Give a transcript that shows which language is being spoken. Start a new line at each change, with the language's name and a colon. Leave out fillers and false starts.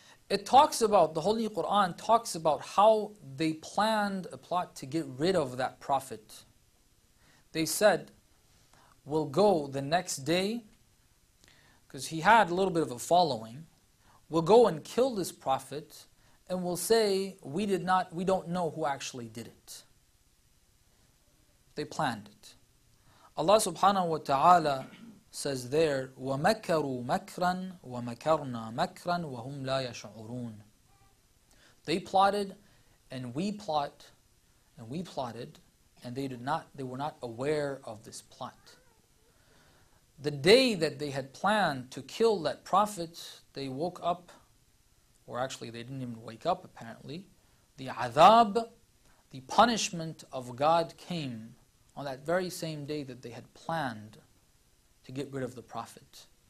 English: It talks about, the Holy Quran talks about how they planned a plot to get rid of that prophet. They said, we'll go the next day, because he had a little bit of a following, we'll go and kill this prophet, and we'll say, we don't know who actually did it. They planned it. Allah subhanahu wa ta'ala says there,
Arabic: وَمَكَرُوا مَكْرًا وَمَكَرْنَا مَكْرًا وَهُمْ لَا يَشْعُرُونَ.
English: They plotted, and we plotted, and they were not aware of this plot. The day that they had planned to kill that prophet, they woke up, or actually they didn't even wake up apparently, the azab, the punishment of God came on that very same day that they had planned to get rid of the prophet.